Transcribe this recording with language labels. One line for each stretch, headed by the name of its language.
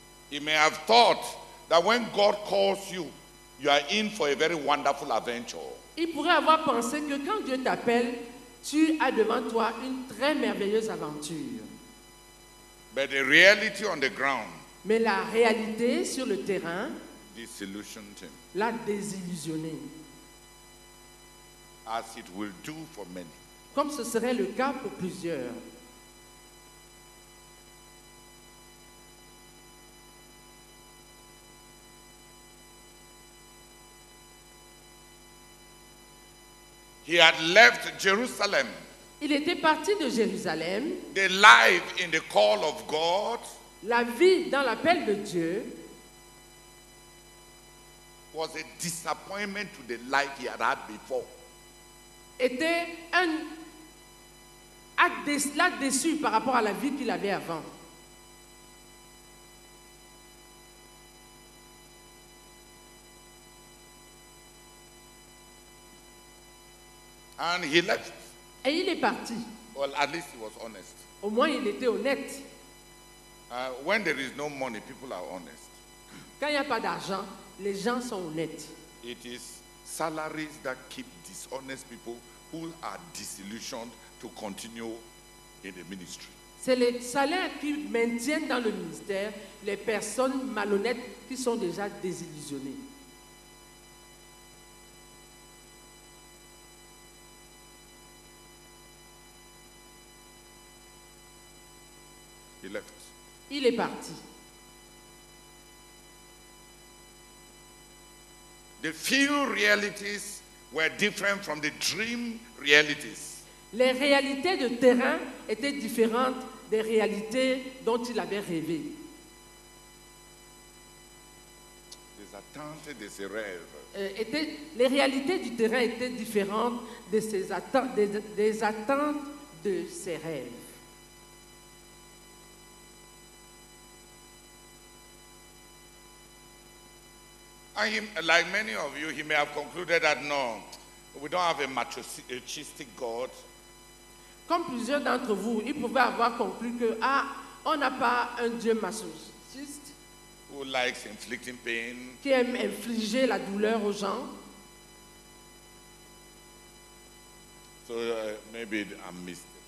English: He may have thought that when God calls you, you are in for a very wonderful adventure.
French: Il pourrait avoir pensé que quand Dieu t'appelle, tu as devant toi une très merveilleuse aventure.
English: But the reality on the ground.
French: Mais la réalité sur le terrain.
English: Disillusioned him.
French: L'a désillusionné.
English: As it will do for many.
French: Comme ce serait le cas pour plusieurs.
English: He had left Jerusalem.
French: Il était parti de Jérusalem.
English: The life in the call of God.
French: La vie dans l'appel de Dieu.
English: Was a disappointment to the life he had had before.
French: Était un acte déçu par rapport à la vie qu'il avait avant.
English: And he left.
French: Et il est parti.
English: Well, at least he was honest.
French: Au moins, il était honnête.
English: When there is no money, people are honest.
French: Quand il n'y a pas d'argent, les gens sont honnêtes.
English: It is salaries that keep dishonest people who are disillusioned to continue in the ministry.
French: C'est les salaires qui maintiennent dans le ministère les personnes malhonnêtes qui sont déjà désillusionnées.
English: He left.
French: Il est parti.
English: The few realities were different from the dream realities.
French: Les réalités de terrain étaient différentes des réalités dont il avait rêvé. Les attentes de ses rêves. Les réalités du terrain étaient différentes de ses attentes, des attentes de ses rêves.
English: And he, like many of you, he may have concluded that no, we don't have a machistic God.
French: Comme plusieurs d'entre vous, il pouvait avoir conclu que ah, on n'a pas un Dieu masochiste.
English: Who likes inflicting pain?
French: Qui aime infliger la douleur aux gens.
English: So maybe I'm mistaken.